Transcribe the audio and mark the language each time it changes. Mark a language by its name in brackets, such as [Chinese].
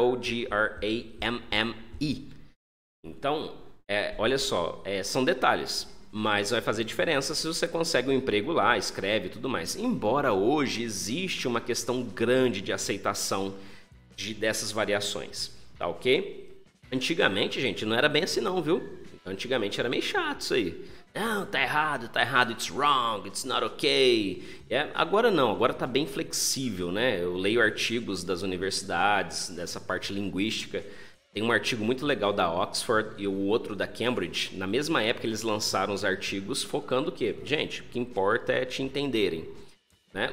[Portuguese] P-R-O-G-R-A-M-M-E. Então, olha só, são detalhes. Mas vai fazer diferença se você consegue um emprego lá, escreve e tudo mais. Embora hoje existe uma questão grande de aceitação dessas variações, tá ok? Antigamente, gente, não era bem assim não, viu? Antigamente era meio chato isso aí. Não, tá errado, [English] it's wrong, it's not okay. [Portuguese] Agora não, agora tá bem flexível, né? Eu leio artigos das universidades, dessa parte linguística. Tem um artigo muito legal da Oxford e o outro da Cambridge. Na mesma época, eles lançaram os artigos focando o quê? Gente, o que importa é te entenderem. Né?